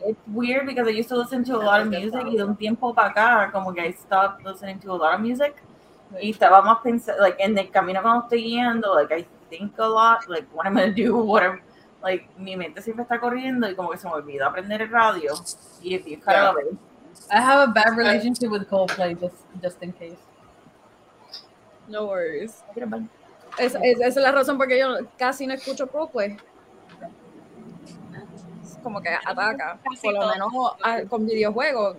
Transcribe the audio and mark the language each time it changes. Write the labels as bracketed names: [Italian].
[English] It's weird because I used to listen to a lot of music song. Y de un tiempo para acá, como que I stopped listening to a lot of music. Sí. Y estaba más pensando, like, en el camino cuando estoy yendo, like, I think a lot, like, what am I going to do, whatever. [Spanish] like, mi mente siempre está corriendo y como que se me olvida aprender el radio. Y es bien caro. [English] I have a bad relationship with Coldplay, just in case. No worries. [Spanish] Esa es la razón por qué yo casi no escucho Coldplay. Como que ataca, por lo menos con videojuegos.